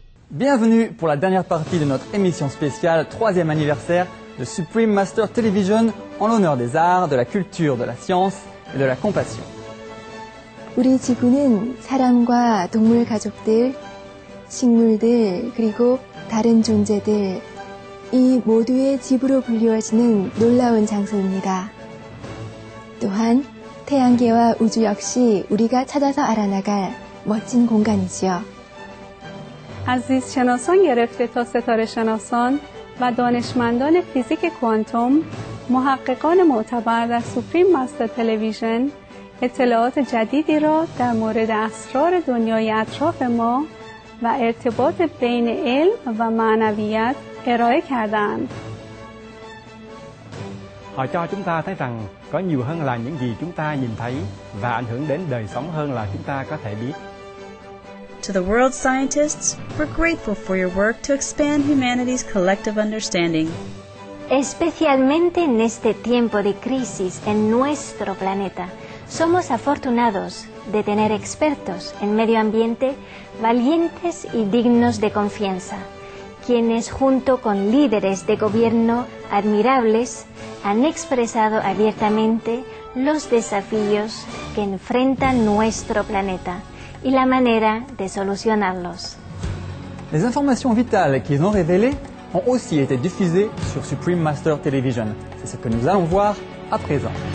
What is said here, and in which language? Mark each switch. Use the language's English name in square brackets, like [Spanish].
[French] bienvenue pour la dernière partie de notre émission spéciale 3e anniversaire de Supreme Master Television en l'honneur des arts, de la culture, de la science et de la compassion. [Korean] 우리 지구는 사람과 동물 가족들, 식물들, 그리고 다른 존재들 이 모두의 집으로 불리워지는 놀라운 장소입니다. 또한 태양계와 우주 역시 우리가 찾아서 알아나갈 멋진 공간이지요. [Persian] 아지스 شناسان گرفته تا ستاره شناسان و دانشمندان فیزیک کوانتوم محققان معتبر در سوپریم ماستر تلویزیون اطلاعات جدیدی را در مورد اسرار دنیای اطراف ما و ارتباط بین علم و معنویت ارائه کردند. [Vietnamese] Họ cho chúng ta thấy rằng có nhiều hơn là những gì chúng ta nhìn thấy và ảnh hưởng đến đời sống hơn là chúng ta có thể biết. [English] To the world scientists, we're grateful for your work to expand humanity's collective understanding. [Spanish] Especialmente en este tiempo de crisis en nuestro planeta, somos afortunados de tener expertos en medio ambiente valientes y dignos de confianza, quienes junto con líderes de gobierno admirables han expresado abiertamente los desafíos que enfrenta nuestro planeta y la manera de solucionarlos. [French] Les informations vitales qu'ils ont révélées ont aussi été diffusées sur Supreme Master Television. C'est ce que nous allons voir à présent.